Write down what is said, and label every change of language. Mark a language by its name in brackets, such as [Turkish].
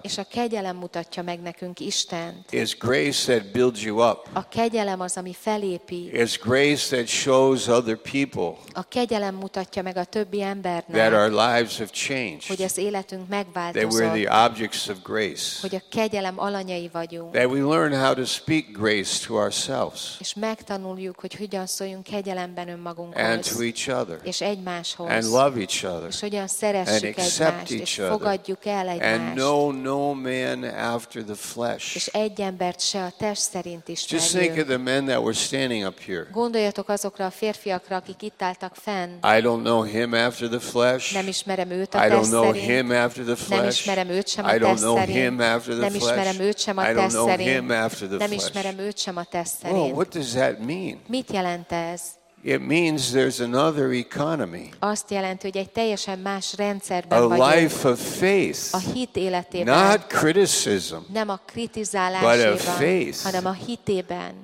[Hungarian] És a kegyelem mutatja meg nekünk Istent. [English] It's grace that builds you up. [Hungarian] A kegyelem az, ami felépít. [English] It's grace that shows other people. [Hungarian] A kegyelem mutatja meg a többi embernek. [English] That our lives have changed. [Hungarian] Hogy az életünk megváltozott. [English] That we're the objects of grace. [Hungarian] Hogy a kegyelem alanyai vagyunk. [English] That we learn how to speak grace to ourselves. [Hungarian] És megtanuljuk, hogy hogyan szóljunk kegyelemben önmagunkhoz. [English] And to each other. [Hungarian] És egymáshoz. [English] And love each other. [Hungarian] És hogyan szeressük [English] and accept [Hungarian] egymást, [English] each other. [Hungarian] És fogadjuk el egymást. [English] And know no man after the flesh. [Hungarian] És egy embert se a test szerint ismerjünk. [English] Just think of the men that were standing up here. [Hungarian] Gondoljatok azokra a férfiakra, akik itt álltak fenn. [English] I don't know him after the flesh. [Hungarian] Nem ismerem őt a test szerint. [English] I don't know him after the flesh. [Hungarian] Nem ismerem őt sem a test szerint. [English] I don't know him after the flesh. [Hungarian] Nem ismerem őt sem a test szerint. [English] I don't know him after the flesh. [Hungarian] Nem ismerem őt sem a test szerint. [English] Well, what does that mean? [Hungarian] Mit jelent ez? [English] It means there's another economy. [Hungarian] Azt jelenti, hogy egy teljesen más rendszerben a vagyunk. [English] A life of faith. [Hungarian] A hit életében. [English] Not criticism. [Hungarian] Nem a kritizálásban. [English] But of faith. [Hungarian] Hanem a hitében.